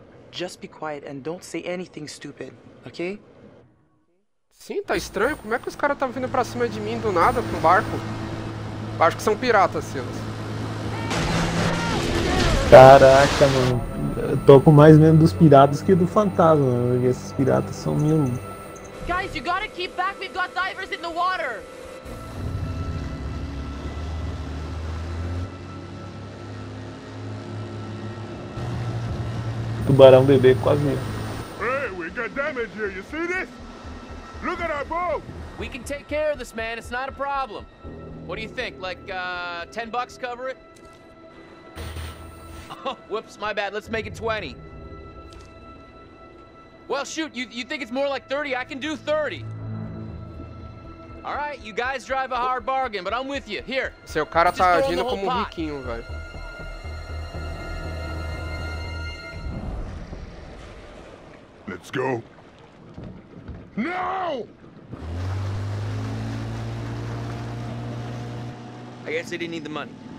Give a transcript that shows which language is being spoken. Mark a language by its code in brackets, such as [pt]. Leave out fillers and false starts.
[en] Just be quiet and don't say anything stupid, ok? [pt] Sim, tá estranho. Como é que os caras estão vindo pra cima de mim do nada com barco? Acho que são piratas, Silas. Caraca, mano. Eu tô com mais medo dos piratas que do fantasma. Né? E esses piratas são mil. [en] Guys, you gotta keep back. We've got divers in the water. [pt] Tubarão bebê quase mesmo. [en] Hey, we got damage here. You see this? Look at our boat. We can take care of this, man. It's not a problem. What do you think? Like, $10 cover it? Oh, whoops, my bad. Let's make it 20. Well, shoot. You think it's more like 30? I can do 30. All right, you guys drive a hard bargain, but I'm with you. Here. [pt] Seu cara tá agindo como um riquinho, velho. [en] Let's go. Now! I guess they didn't need the money.